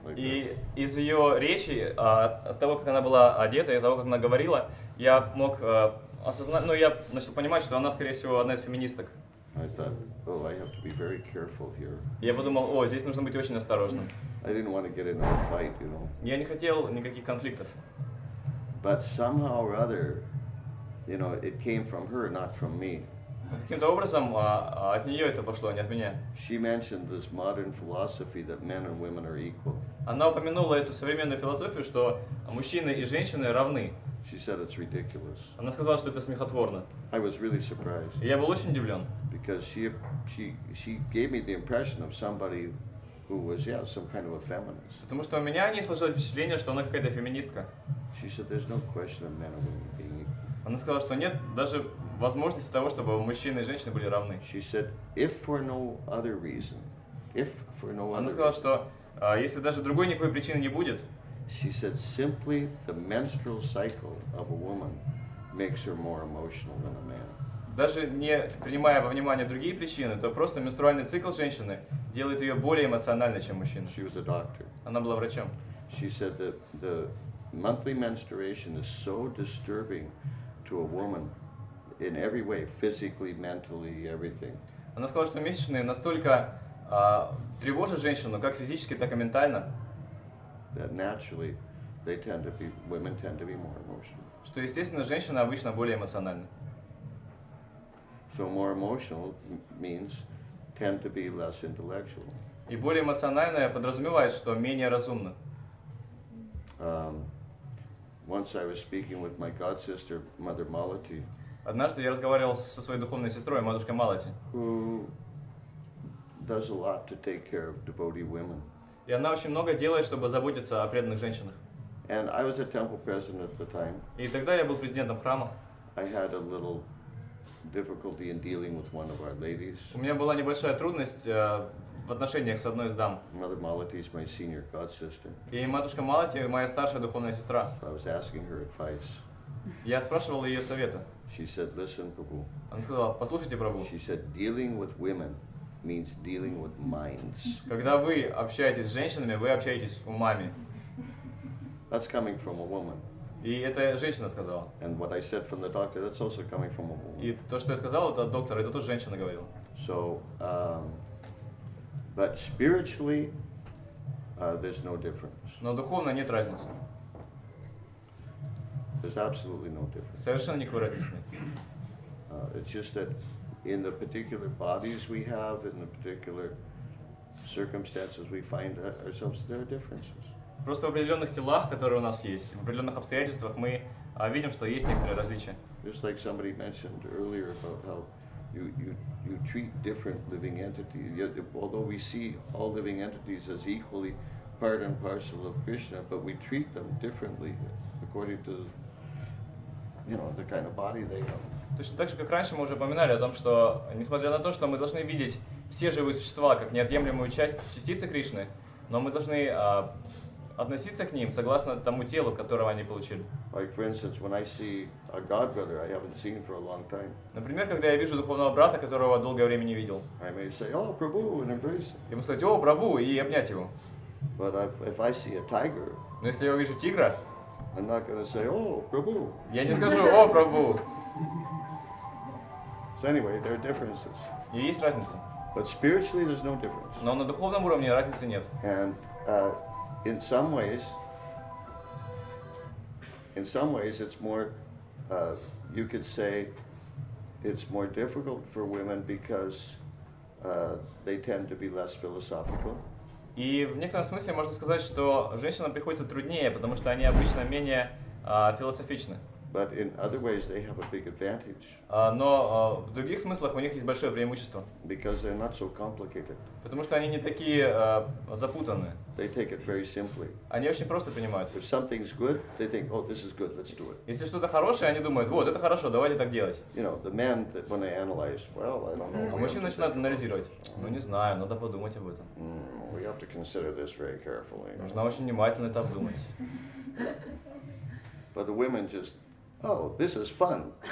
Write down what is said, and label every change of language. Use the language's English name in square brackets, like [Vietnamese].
[Russian] И из ее речи, от того, как она была одета, и от того, как она говорила, я мог осознать, я начал понимать, что она, скорее всего, одна из феминисток. [English] I thought, I have to be very careful here. [Russian] Я подумал, здесь нужно быть очень осторожным. [English] I didn't want to get into a fight, [Russian] Я не хотел никаких конфликтов. [English] But somehow or other, it came from her, not from me. [Russian] Каким-то образом от нее это пошло, не от меня. [English] She mentioned this modern philosophy that men and women are equal. [Russian] Она упомянула эту современную философию, что мужчины и женщины равны. [English] She said it's ridiculous. [Russian] Она сказала, что это смехотворно. [English] I was really surprised. [Russian] Я был очень удивлен. [English] Because she gave me the impression of somebody who was, some kind of a feminist. [Russian] Потому что у меня о ней сложилось впечатление, что она какая-то феминистка. [English] She said there's no question of men and women being equal. [Russian] Она сказала, что нет даже возможности того, чтобы мужчины и женщины были равны. [English] She said, if for no other reason, [Russian] Она сказала, что если даже другой никакой причины не будет. [English] She said, simply the menstrual cycle of a woman makes her more emotional than a man. [Russian] Даже не принимая во внимание другие причины, то просто менструальный цикл женщины делает ее более эмоциональной, чем мужчина. [English] She was a doctor. [Russian] Она была врачом. [English] She said that the monthly menstruation is so disturbing to a woman in every way, physically, mentally, everything. [Russian] Она сказала, что месячные настолько Тревожит женщину как физически, так и ментально. [English] That naturally they tend to be, women tend to be more emotional. [Russian] Что естественно, женщина обычно более эмоциональна. [English] So more emotional means tend to be less intellectual. [Russian] И более эмоциональная подразумевает, что менее разумна. [English] Once I was speaking with my god sister, Mother Malati. [Russian] Однажды я разговаривал со своей духовной сестрой, матушкой Малати. [English] Who does a lot to take care of devotee women. [Russian] И она очень много делает, чтобы заботиться о преданных женщинах. [English] And I was a temple president at the time. [Russian] И тогда я был президентом храма. [English] I had a little difficulty in dealing with one of our ladies. [Russian] У меня была небольшая трудность в отношениях с одной из дам. [English] Mother Malati is my senior god sister. [Russian] И матушка Малати моя старшая духовная сестра. [English] So I was asking her advice. [Russian] Я спрашивал ее совета. [English] She said, "Listen, Prabhu." [Russian] Она сказала: "Послушайте, Прабху." [English] She said, "Dealing with women means dealing with minds." [Russian] Когда вы общаетесь с женщинами, вы общаетесь с умами. [English] That's coming from a woman. [Russian] И это женщина сказала. [English] And what I said from the doctor, that's also coming from a woman. [Russian] И то, что я сказал от доктора, это тоже женщина говорила. [English] So, but spiritually, there's no difference. [Russian] Но духовно нет разницы. [English] There's absolutely no difference. [Russian] Совершенно никакой разницы нет. [English] It's just that in the particular bodies we have, in the particular circumstances we find ourselves, there are differences. [Russian] Просто в определенных телах, которые у нас есть, в определенных обстоятельствах мы видим, что есть некоторые различия. [English] Just like somebody mentioned earlier about how you treat different living entities. Yet, although we see all living entities as equally part and parcel of Krishna, but we treat them differently according to, you know, the kind of body they have. [Russian] Точно так же, как раньше, мы уже упоминали о том, что несмотря на то, что мы должны видеть все живые существа как неотъемлемую часть частицы Кришны, но мы должны относиться к ним согласно тому телу, которого они получили. [English] Like, for instance, when I see a god brother I haven't seen for a long time. [Russian] Например, когда я вижу духовного брата, которого долгое время не видел. [English] I may say, "Oh, Prabhu," and embrace him. [Russian] Я могу сказать: "О, Прабу," и обнять его. [English] But if I see a tiger. [Russian] Но если я увижу тигра, [English] I'm not gonna say, "Oh, Prabhu." [Russian] Я не скажу: "О, Прабу." [English] So anyway, there are differences. [Russian] И есть разница. [English] But spiritually, there's no difference. [Russian] Но на духовном уровне разницы нет. [English] And in some ways, it's more, you could say, it's more difficult for women because they tend to be less philosophical. [Russian] И в некотором смысле можно сказать, что женщинам приходится труднее, потому что они обычно менее философичны. [English] But in other ways they have a big advantage. [Russian] В других смыслах у них есть большое преимущество. [English] Because they're not so complicated. [Russian] Потому что они не такие запутанные. [English] They take it very simply. [Russian] Они очень просто понимают. [English] If something's good, they think, "Oh, this is good, let's do it." [Russian] Если что-то хорошее, они думают: "Вот, это хорошо, давайте так делать." [English] You know, the man that when they analyze, well, I don't know. [Russian] А мужчины начинают анализировать. Ну не знаю, надо подумать об этом. [English] We have to consider this very carefully. [Russian] Нужно очень внимательно это обдумать. [English] But the women just, "Oh, this is fun."